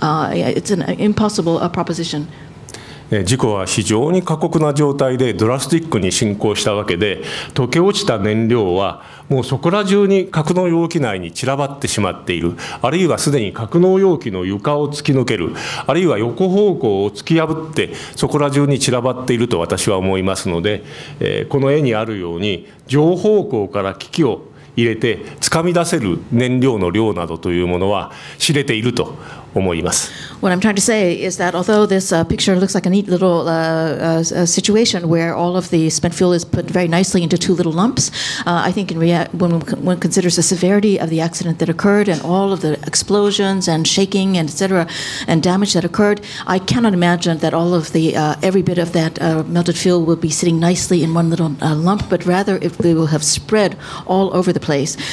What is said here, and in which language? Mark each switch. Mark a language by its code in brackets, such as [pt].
[en] It's an impossible proposition. [ja] 事故は非常に過酷な状態でドラスティックに進行したわけで、溶け落ちた燃料はもうそこら中に格納容器内に散らばってしまっている、あるいはすでに格納容器の床を突き抜ける、あるいは横方向を突き破ってそこら中に散らばっていると私は思いますので、この絵にあるように上方向から機器を入れて掴み出せる燃料の量などというものは知れていると思います。 [en] What I'm trying to say is that although this picture looks like a neat little situation where all of the spent fuel is put very nicely into two little lumps, I think when one considers the severity of the accident that occurred and all of the explosions and shaking and etc. and damage that occurred, I cannot imagine that all of the every bit of that melted fuel will be sitting nicely in one little lump, but rather if they will have spread all over the place.